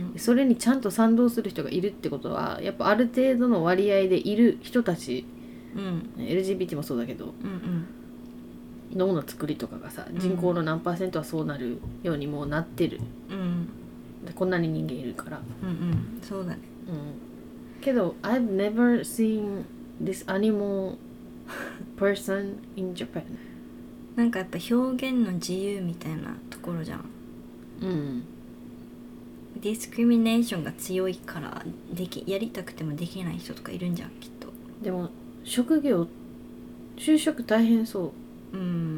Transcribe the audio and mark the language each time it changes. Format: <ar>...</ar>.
<ja>それにちゃんと賛同する人がいるってことはやっぱある程度の割合でいる人たち、うん、 LGBT もそうだけど、うんうん、脳の作りとかがさ人口の何パーセントはそうなるようにもうなってる、うん、でこんなに人間いるから、うんうん、そうだね、うん、けど</ja> <en>I've never seen this animalperson in Japan</en> <ja>なんかやっぱ表現の自由みたいなところじゃん、うん、ディスクリミネーションが強いからできやりたくてもできない人とかいるんじゃんきっと。でも職業就職大変そう、うん、</ja>